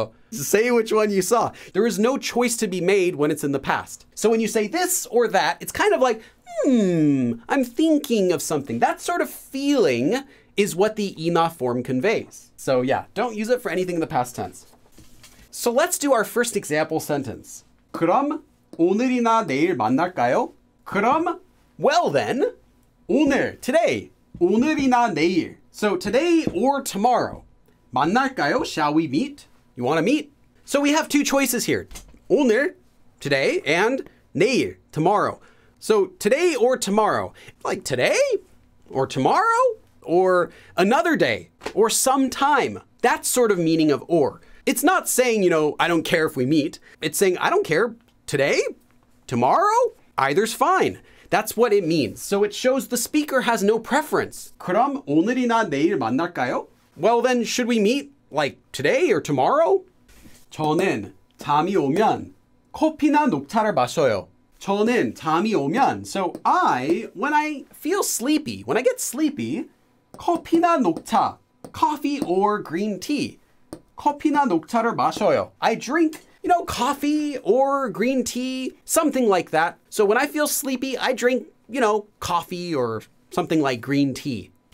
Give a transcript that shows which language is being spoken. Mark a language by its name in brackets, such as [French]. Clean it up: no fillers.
[English] Say which one you saw. There is no choice to be made when it's in the past. So when you say this or that, it's kind of like, I'm thinking of something. That sort of feeling is what the ina form conveys. So yeah, don't use it for anything in the past tense. So let's do our first example sentence. [Korean] 그럼 오늘이나 내일 만날까요? 그럼, [English] well then, [Korean] 오늘, [English] today, [Korean] 오늘이나 내일. [English] So today or tomorrow. [Korean] 만날까요? [English] Shall we meet? You want to meet? So we have two choices here. 오늘, today, and 내일, tomorrow. So today or tomorrow. Like today or tomorrow or another day or sometime. That sort of meaning of or. It's not saying, you know, I don't care if we meet. It's saying, I don't care today, tomorrow, either's fine. That's what it means. So it shows the speaker has no preference. [Korean] 그럼 오늘이나 내일 만날까요? [English] Well then, should we meet like today or tomorrow? [Korean] 저는 잠이 오면 커피나 녹차를 마셔요. 저는 잠이 오면. [English] So I, when I feel sleepy, when I get sleepy, [Korean] 커피나 녹차, [English] coffee or green tea. [Korean] 커피나 녹차를 마셔요. [English] I drink, you know, coffee or green tea, something like that. So when I feel sleepy, I drink, you know, coffee or something like green tea.